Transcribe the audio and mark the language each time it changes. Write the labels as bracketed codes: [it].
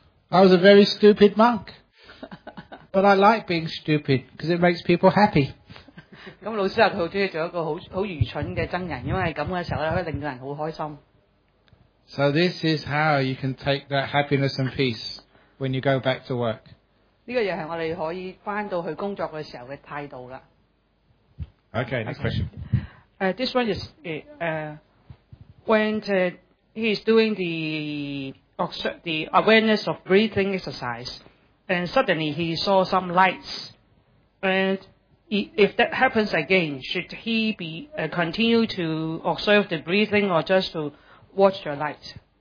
[en] I was a very stupid monk, but I like being stupid because it makes people happy. [yue] 咁老師話佢好中意做一個好愚蠢嘅僧人，因為咁嘅時候咧，可以令到人好開心。 [en] So this is how you can take that happiness and peace when you go back to work. [yue] 呢個又係我哋可以翻到去工作嘅時候嘅態度啦。 [en] Okay, next question. This one is when he is doing the awareness of breathing exercise, and suddenly he saw some lights and. If that happens again, should he be continue to observe the breathing or just to watch the light?